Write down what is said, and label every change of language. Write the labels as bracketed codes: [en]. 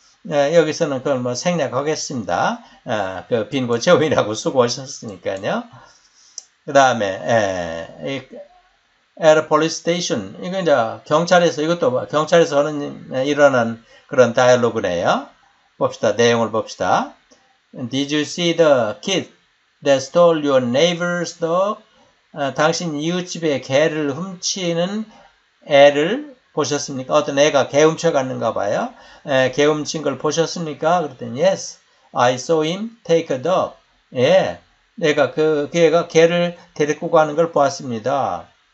[ko] 네, 여기서는 그걸 뭐 생략하겠습니다. 아, 그빈곳 채우느라고 수고하셨으니까요. 그 다음에 에어폴리스 스테이션 이거 이제 경찰에서 이것도 경찰에서 하는 일어난 그런 다이얼로그네요. 봅시다. 내용을 봅시다. [en] Did you see the kid that stole your neighbor's dog? [ko] 아, 당신 이웃집의 개를 훔치는 애를 보셨습니까? 어떤 애가 개 훔쳐갔는가 봐요. 에, 개 훔친 걸 보셨습니까? 그랬더니 [en] Yes, I saw him take a dog. [ko] 예, 내가 그 애가 개를 데리고 가는 걸 보았습니다.